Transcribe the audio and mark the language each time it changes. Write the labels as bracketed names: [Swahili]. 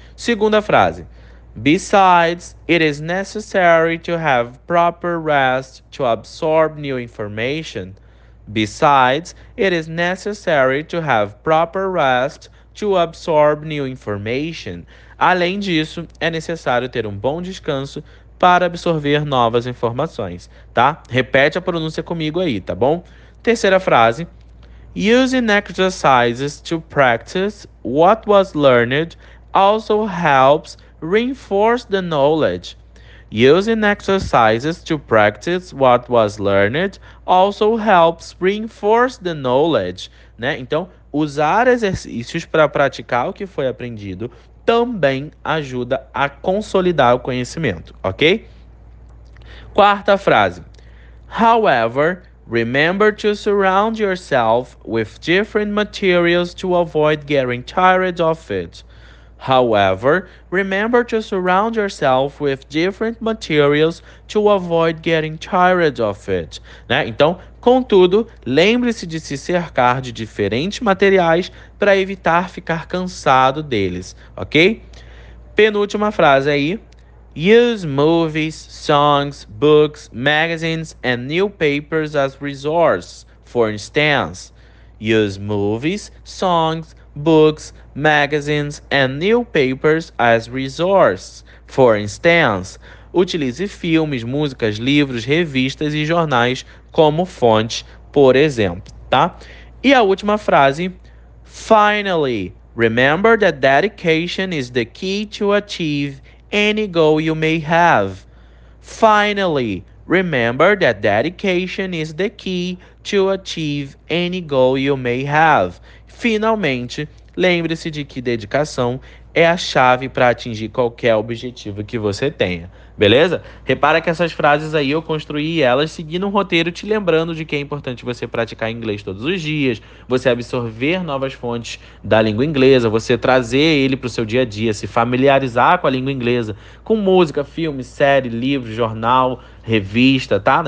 [Portuguese] Segunda frase. [English] Besides, it is necessary to have proper rest to absorb new information. Besides, it is necessary to have proper rest to absorb new information. [Portuguese] Além disso, é necessário ter um bom descanso para absorver novas informações, tá? Repete a pronúncia comigo aí, tá bom? Terceira frase. [English] Using exercises to practice what was learned also helps reinforce the knowledge. Using exercises to practice what was learned also helps reinforce the knowledge, né? [Portuguese] Então, usar exercícios para praticar o que foi aprendido também ajuda a consolidar o conhecimento, ok? Quarta frase. [English] However, remember to surround yourself with different materials to avoid getting tired of it. However, remember to surround yourself with different materials to avoid getting tired of it. Né? [Portuguese] Então, contudo, lembre-se de se cercar de diferentes materiais para evitar ficar cansado deles, ok? Penúltima frase aí. [English] Use movies, songs, books, magazines and newspapers as resources. For instance, use movies, songs, books, magazines and newspapers as resources. [Portuguese] For instance, utilize filmes, músicas, livros, revistas e jornais como fonte, por exemplo, tá? E a última frase, [English] finally, remember that dedication is the key to achieve any goal you may have. Finally, remember that dedication is the key to achieve any goal you may have. [Portuguese] Finalmente, lembre-se de que dedicação é a chave para atingir qualquer objetivo que você tenha. Beleza? Repara que essas frases aí eu construí elas seguindo um roteiro te lembrando de que é importante você praticar inglês todos os dias, você absorver novas fontes da língua inglesa, você trazer ele para o seu dia a dia, se familiarizar com a língua inglesa, com música, filme, série, livro, jornal, revista, tá?